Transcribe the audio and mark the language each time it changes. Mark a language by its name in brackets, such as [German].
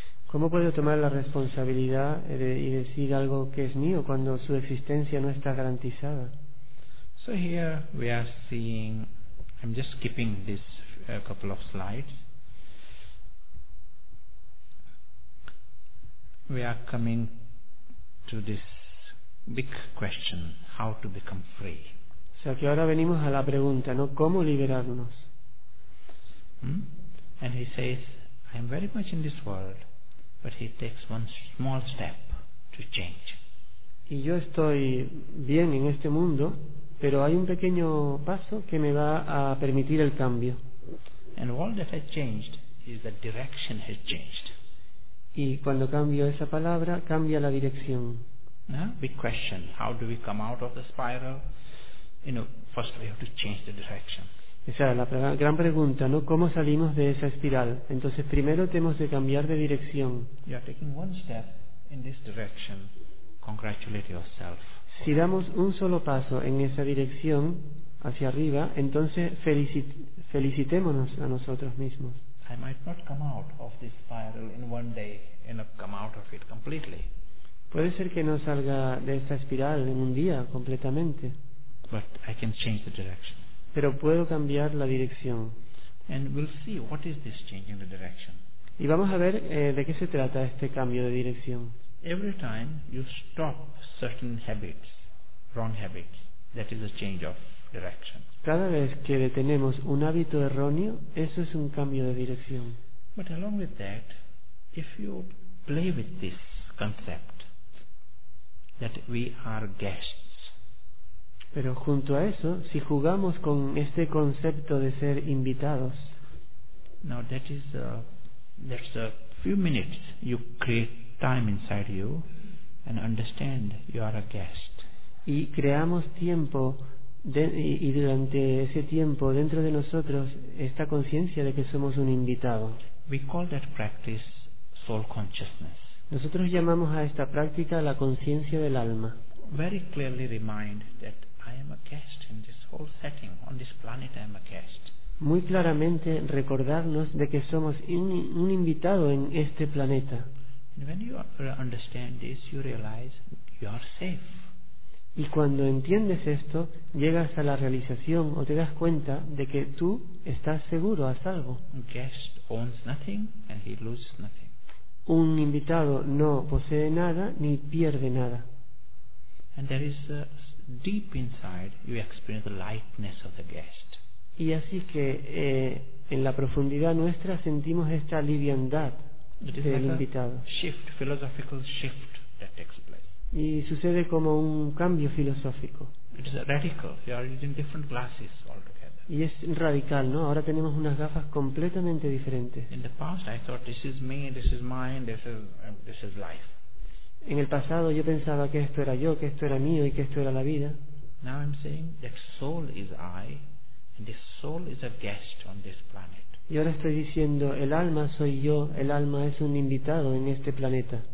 [Spanish] ¿Cómo puedo tomar la responsabilidad y decir algo que es mío cuando su existencia no está garantizada? [English] So here we are seeing, I'm just skipping this couple of slides. We are coming to this big question, how to become free. [Spanish] O sea, que ahora venimos a la pregunta, ¿no? ¿Cómo liberarnos? [English] And he says, I am very much in this world, but he takes one small step to change. [Spanish] Y yo estoy bien en este mundo, pero hay un pequeño paso que me va a permitir el cambio. [English] And all that has changed is the direction has changed. [Spanish] Y cuando cambio esa palabra, cambia la dirección. [English] Big question. How do we come out of the spiral? You know, first we have to change the direction. [Spanish] Esa es la gran pregunta, ¿no? ¿Cómo salimos de esa espiral? Entonces, primero tenemos que cambiar de dirección. [English] You are taking one step in this direction. Congratulate yourself. [Spanish] Si damos un solo paso en esa dirección, hacia arriba, entonces felicitémonos a nosotros mismos. [English] I might not come out of this spiral in one day and come out of it completely. [Spanish] Puede ser que no salga de esta espiral en un día completamente. [English] But I can change the direction. [Spanish] Pero puedo cambiar la dirección. [English] And we'll see what is this changing the direction. [Spanish] Y vamos a ver de qué se trata este cambio de dirección. [English] Every time you stop certain habits, wrong habits, that is a change of direction. [Spanish] Cada vez que detenemos un hábito erróneo, eso es un cambio de dirección. [English] But along with that, if you play with this concept that we are guests. [Spanish] Pero junto a eso, si jugamos con este concepto de ser invitados. [English] Now that is that's a few minutes you create time inside you and understand you are a guest. [Spanish] Y creamos tiempo. Y durante ese tiempo dentro de nosotros esta conciencia de que somos un invitado. [English] We call that practice soul consciousness. [Spanish] Nosotros llamamos a esta práctica la conciencia del alma. [English] Very clearly remind that I am a guest in this whole setting, on this planet I am a guest. [Spanish] Muy claramente recordarnos de que somos un invitado en este planeta. [English] And when you understand this, you realize you are safe. [Spanish] Y cuando entiendes esto, llegas a la realización o te das cuenta de que tú estás seguro, a salvo. [English] Guest owns nothing and he loses nothing. [Spanish] Un invitado no posee nada ni pierde nada. [English] And there is deep inside you experience the lightness of the guest. [Spanish] Y así que en la profundidad nuestra sentimos esta liviandad del like invitado. [English] A shift, philosophical shift that takes place. [Spanish] Y sucede como un cambio filosófico. [English] It is radical. You are using different glasses altogether. [Spanish] Y es radical, ¿no? Ahora tenemos unas gafas completamente diferentes. [English] In the past, I thought this is me, this is mine, this is life. [Spanish] En el pasado yo pensaba que esto era yo, que esto era mío y que esto era la vida. [English] Now I'm saying that soul is I, and this soul is a guest on this planet. [Spanish] Y ahora estoy diciendo, el alma soy yo, el alma es un invitado en este planeta.